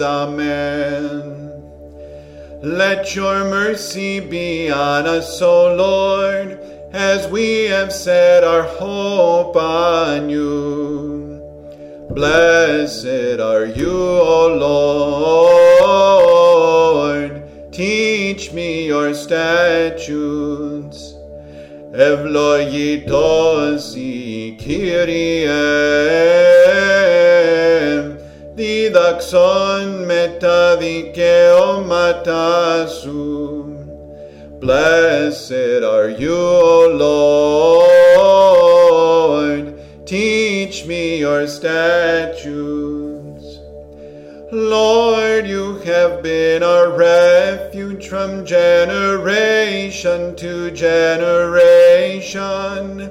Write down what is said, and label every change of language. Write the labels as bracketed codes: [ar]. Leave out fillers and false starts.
[en] Amen. Let your mercy be on us, O Lord, as we have set our hope on you. Blessed are you, O Lord, teach me your statutes. [el] Ευλογητώσι Κύριε, διδαξόν με τα δικαιώματά σου. [en] Blessed are you, O Lord, teach me your statutes. Lord, you have been our refuge from generation to generation.